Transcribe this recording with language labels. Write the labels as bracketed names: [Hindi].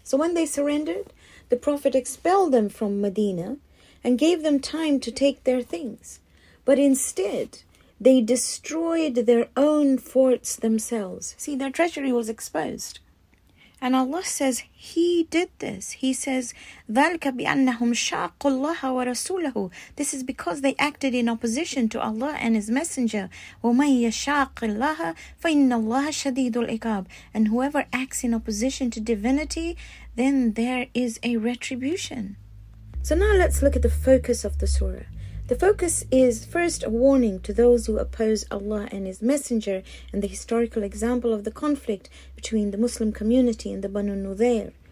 [English] So when they surrendered, the Prophet expelled them from Medina and gave them time to take their things. But instead, they destroyed their own forts themselves. See, their treasury was exposed. And Allah says, He did this. He says, [Arabic] ذَلْكَ بِأَنَّهُمْ شَاقُوا اللَّهَ وَرَسُولَهُ. [English] This is because they acted in opposition to Allah and His Messenger. [Arabic] وَمَنْ يَشَاقِ اللَّهَ فَإِنَّ اللَّهَ شَدِيدُ الْعِقَابِ. [English] And whoever acts in opposition to divinity, then there is a retribution. So now let's look at the focus of the surah. The focus is first a warning to those who oppose Allah and His Messenger and the historical example of the conflict between the Muslim community and the Banu Nudhair.